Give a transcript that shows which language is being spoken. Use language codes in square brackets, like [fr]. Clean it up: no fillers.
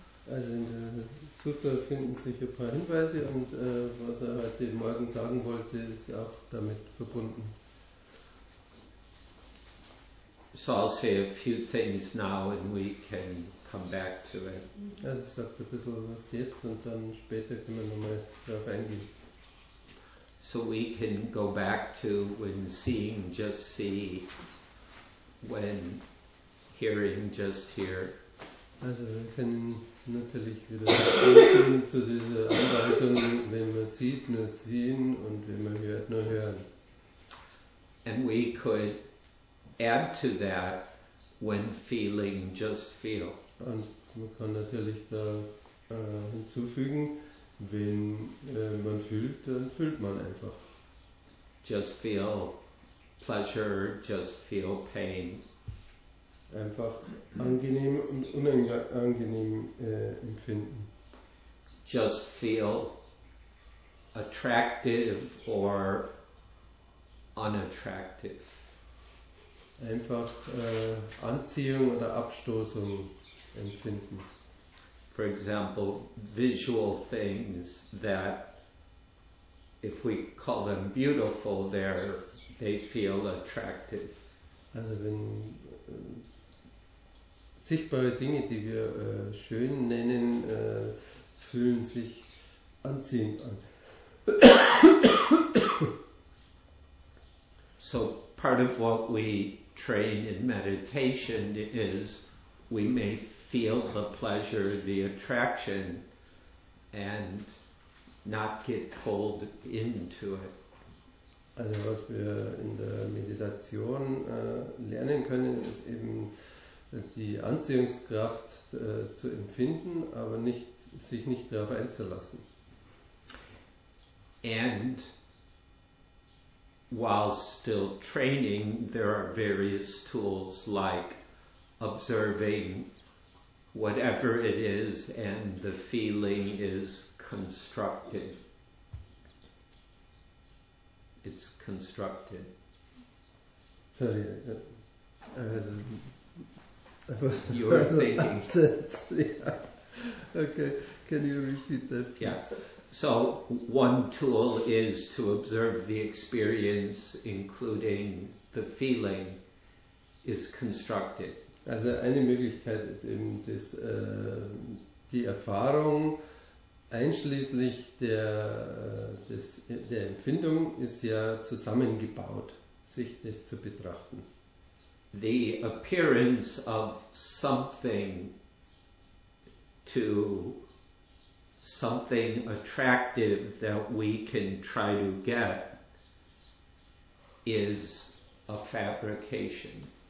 [de] Also in der Sutta finden sich ein paar Hinweise und was er heute Morgen sagen wollte, ist auch damit verbunden. [en] So I'll say a few things now and we can come back to it. [de] Also ich sage ein bisschen was jetzt und dann später können wir nochmal darauf eingehen. [en] So we can go back to when seeing just see, when hearing just hear. [de] Also wir können natürlich wieder zurückkommen zu dieser Anweisung, wenn man sieht, nur sehen und wenn man hört, nur hören. [en] And we could add to that, when feeling, just feel. [de] Und man kann natürlich da hinzufügen, wenn man fühlt, dann fühlt man einfach. [en] Just feel pleasure, just feel pain. [de] Einfach angenehm und unangenehm empfinden. [en] Just feel attractive or unattractive. [de] Einfach Anziehung oder Abstoßung empfinden. [en] For example, visual things that, if we call them beautiful, they feel attractive. [de] Also wenn sichtbare Dinge, die wir schön nennen, fühlen sich anziehend an. [en] So part of what we train in meditation is we may feel the pleasure, the attraction, and not get pulled into it. [de] Also was wir in der Meditation lernen können, ist eben die Anziehungskraft zu empfinden, aber nicht, sich nicht darauf einzulassen. [en] And while still training, there are various tools like observing whatever it is and the feeling is constructed. It's constructed. Sorry, I was you're thinking. Yeah. Okay, can you repeat that, please? Yeah. So one tool is to observe the experience, including the feeling, is constructed. [de] Also eine Möglichkeit ist eben das, die Erfahrung. Einschließlich der Empfindung ist ja zusammengebaut, sich das zu betrachten. [en] The appearance of something to something attractive that we can try to get is a fabrication.